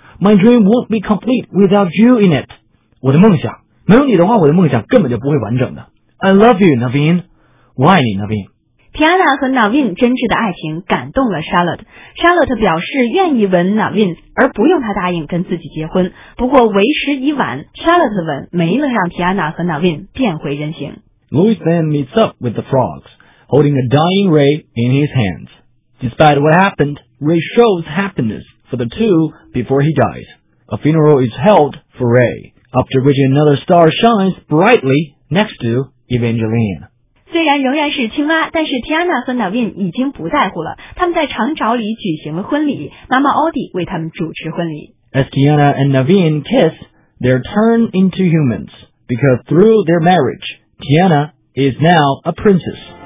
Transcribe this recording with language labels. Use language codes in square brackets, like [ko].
[en] My dream won't be complete without you in it. [zh] 我的梦想，没有你的话我的梦想根本就不会完整的。 [en] I love you, Navin. [zh] 我爱你 [en] Navin。 [zh] Tiana 和 Navin 真挚的爱情感动了 Charlotte。Charlotte 表示愿意吻 Navin 而不用他答应跟自己结婚，不过为时已晚， Charlotte 的吻没能让 Tiana 和 Navin 变回人形。 [en] Louis then meets up with the frogs, holding a dying ray in his hands. Despite what happenedRay shows happiness for the two before he dies. A funeral is held for Ray, after which another star shines brightly next to Evangeline. [zh] 虽然仍然是青蛙，但是 Tiana 和 Navin 已经不在乎了。他们在长沼里举行了婚礼，妈妈 Audie 为他们主持婚礼。 [en] As Tiana and Navin kiss, they're turned into humans, because through their marriage, Tiana is now a princess.